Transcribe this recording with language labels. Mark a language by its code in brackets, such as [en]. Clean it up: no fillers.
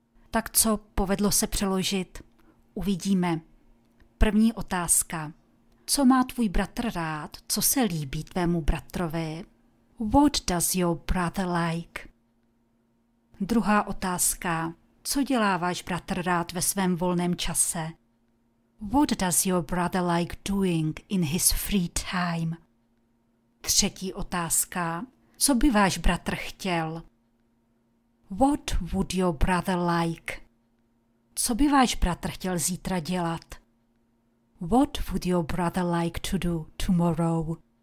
[cs] Tak co, povedlo se přeložit? Uvidíme. První otázka. Co má tvůj bratr rád? Co se líbí tvému bratrovi? [en] What does your brother like? [cs] Druhá otázka. Co dělá váš bratr rád ve svém volném čase? [en] What does your brother like doing in his free time? [cs] Třetí otázka. Co by váš bratr chtěl? [en] What would your brother like? [cs] Co by váš bratr chtěl zítra dělat? [en] What would your brother like to do tomorrow?